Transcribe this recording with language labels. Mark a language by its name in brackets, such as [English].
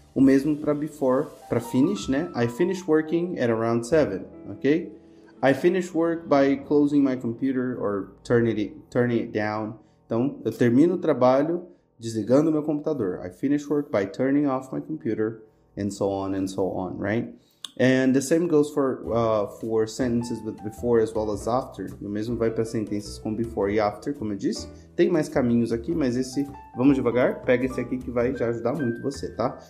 [Portuguese] O mesmo para before, para finish, né? [English] I finish working at around 7, ok? I finish work by closing my computer or turning it down. [Portuguese] Então, eu termino o trabalho desligando meu computador. [English] I finish work by turning off my computer and so on, right? And the same goes for sentences with before as well as after. [Portuguese] O mesmo vai para sentenças com before e after, como eu disse. Tem mais caminhos aqui, mas esse, vamos devagar, pega esse aqui que vai já ajudar muito você, tá?